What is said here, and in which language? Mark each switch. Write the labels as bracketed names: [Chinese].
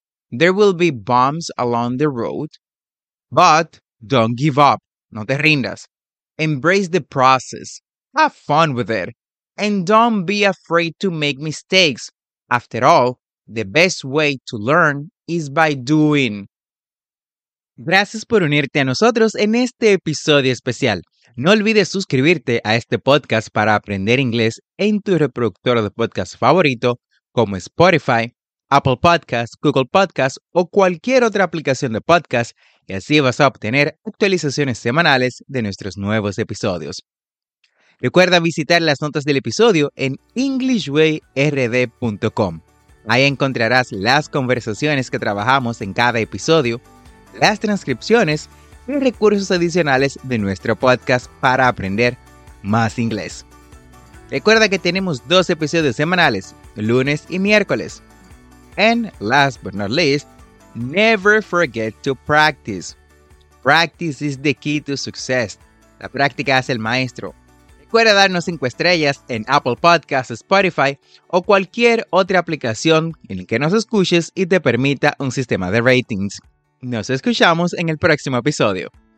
[English] There will be bumps along the road, but don't give up. [Spanish] No te rindas. [English] Embrace the process. Have fun with it. And don't be afraid to make mistakes. After all, the best way to learn is by doing. [Spanish] Gracias por unirte a nosotros en este episodio especial. No olvides suscribirte a este podcast para aprender inglés en tu reproductor de podcast favorito como Spotify, Apple Podcasts, Google Podcasts o cualquier otra aplicación de podcast y así vas a obtener actualizaciones semanales de nuestros nuevos episodios. Recuerda visitar las notas del episodio en englishwayrd.com. Ahí encontrarás las conversaciones que trabajamos en cada episodio, las transcripciones y recursos adicionales de nuestro podcast para aprender más inglés. Recuerda que tenemos dos episodios semanales, lunes y miércoles. [English] And last but not least, never forget to practice. Practice is the key to success. [Spanish] La práctica hace el maestro. Recuerda darnos 5 estrellas en Apple Podcasts, Spotify o cualquier otra aplicación en la que nos escuches y te permita un sistema de ratings. Nos escuchamos en el próximo episodio.